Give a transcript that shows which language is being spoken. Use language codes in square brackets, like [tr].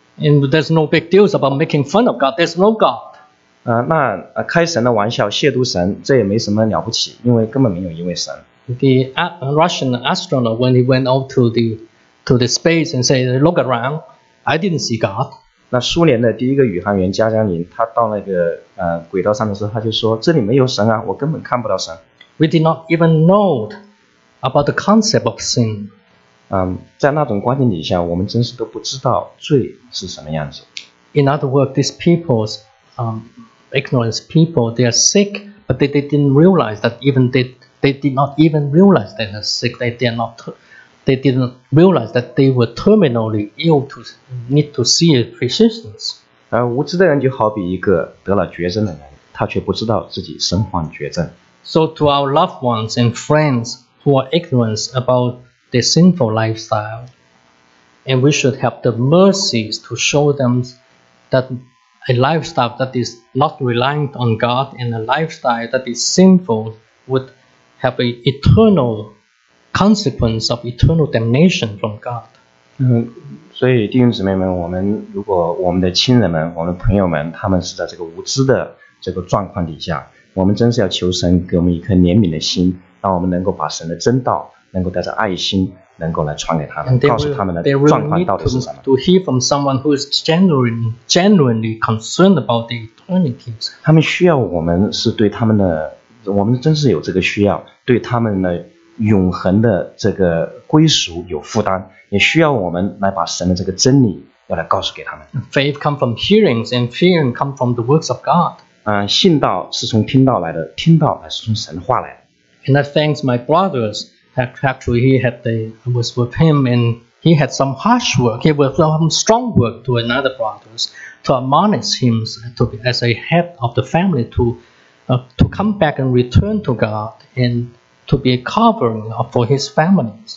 [en] And there's no big deal about making fun of God. There's no God. [zh] 开神的玩笑，亵渎神，这也没什么了不起，因为根本没有一位神。 [en] The Russian astronaut, when he went out to the space and said, "Look around, I didn't see God." [zh] 那苏联的第一个宇航员加加林，他到那个轨道上的时候，他就说：“这里没有神啊，我根本看不到神。 [en] ”We did not even know about the concept of sin. [zh] 在那种光景底下，我们真是都不知道罪是什么样子。 [en] In other words, these people'signorant people, they are sick, but they didn't realize that even they did not even realize they are sick. They didn't realize that they were terminally ill to need to see a physician. [zh] 无知的人就好比一个得了绝症的人，他却不知道自己身患绝症。 [en] So to our loved ones and friends who are ignorant about their sinful lifestyle, and we should have the mercies to show them that. A lifestyle that is not reliant on God and a lifestyle that is sinful would have an eternal consequence of eternal damnation from God. [zh] 所以弟兄姊妹们，我们如果我们的亲人们、我们朋友们，他们是在这个无知的这个状况底下，我们真是要求神给我们一颗怜悯的心，让我们能够把神的真道，能够带着爱心，能够来传给他们，告诉他们的状况到底是什么。 [en] To hear from someone who is genuinely concerned about the eternity. [zh] 他们需要我们是对他们的，我们真是有这个需要，对他们的永恒的这个归属有负担，也需要我们来把神的这个真理要来告诉给他们。 [en] Faith comes from hearings, and hearing comes from the works of God. [zh] 信道是从听道来的，听道乃是从神话来的。 [en] And I thank my brothers. Actually, he had was with him, and he had some harsh work. He was some strong work to another brothers to admonish him to be as a head of the family to come back and return to God and to be a covering for his family.